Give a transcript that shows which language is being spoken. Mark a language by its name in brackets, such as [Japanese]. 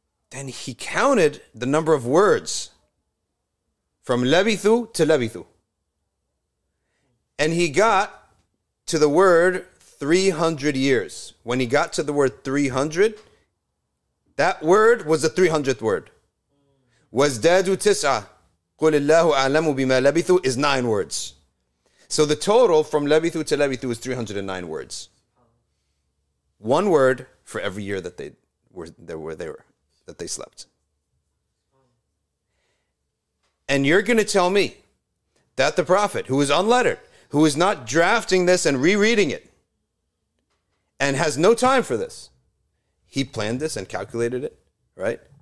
[English] Then he counted the number of words from Labithu to Labithu. And he got to the word 300 years. When he got to the word 300, that word was the 300th word. [Arabic] Wazdadu tis'a, قُلْ اللَّهُ أَعْلَمُ بِمَا لَبِثُ [English] is 9 words. So the total from Labithu to Labithu is 309 words. One word for every year that they were there, that they slept. And you're going to tell me that the Prophet, who is unlettered, who is not drafting this and rereading it, and has no time for this, he planned this and calculated it, right?